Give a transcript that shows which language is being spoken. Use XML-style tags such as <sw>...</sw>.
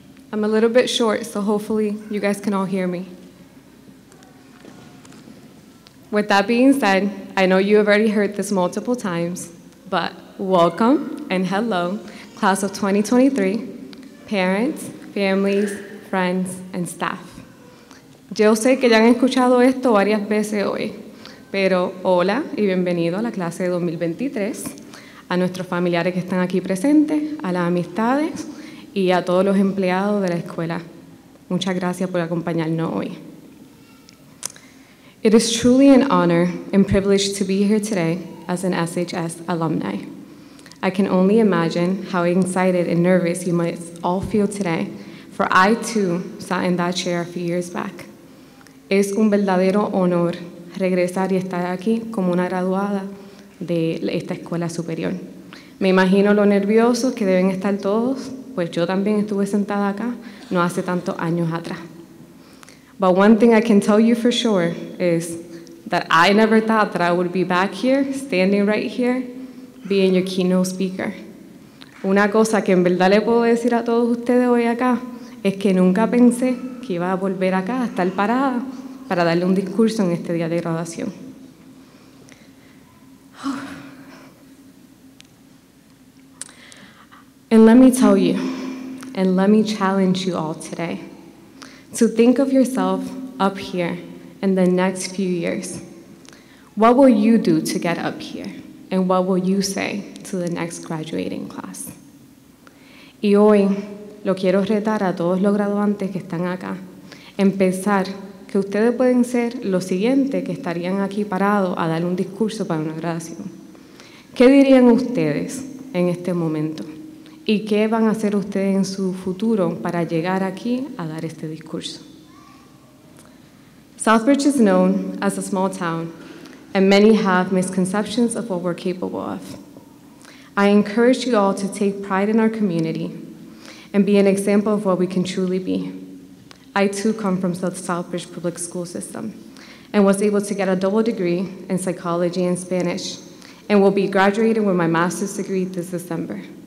<en>I'm a little bit short, so hopefully you guys can all hear me. With that being said, I know you have already heard this multiple times, but welcome and hello, class of 2023, parents, families, friends, and staff.</en> <es>Yo sé que ya han escuchado esto varias veces hoy, pero hola y bienvenido a la clase de 2023, a nuestros familiares que están aquí presentes, a las amistades y a todos los empleados de la escuela. Muchas gracias por acompañarnos hoy.</es> <en>It is truly an honor and privilege to be here today as an SHS alumni. I can only imagine how excited and nervous you might all feel today, for I too sat in that chair a few years back.</en> <es>Es un verdadero honor regresar y estar aquí como una graduada de esta escuela superior. Me imagino lo nerviosos que deben estar todos, pues yo también estuve sentada acá no hace tantos años atrás.</es> <en>But one thing I can tell you for sure is that I never thought that I would be back here, standing right here, being your keynote speaker.</en> <es>Una cosa que en verdad le puedo decir a todos ustedes hoy acá es que nunca pensé que iba a volver acá a estar parada para darle un discurso en este día de graduación.</es> <en>And let me tell you, and let me challenge you all today, to think of yourself up here in the next few years. What will you do to get up here? And what will you say to the next graduating class?</en> <es>Y hoy, lo quiero retar a todos los graduantes que están acá, en pensar que ustedes pueden ser los siguientes que estarían aquí parados a dar un discurso para una graduación. ¿Qué dirían ustedes en este momento? ¿Y qué van a hacer ustedes en su futuro para llegar aquí a dar este discurso?</es> <en>Southbridge is known as a small town, and many have misconceptions of what we're capable of. I encourage you all to take pride in our community and be an example of what we can truly be. I too come from the Southbridge public school system and was able to get a double degree in psychology and Spanish and will be graduating with my master's degree this December.</en>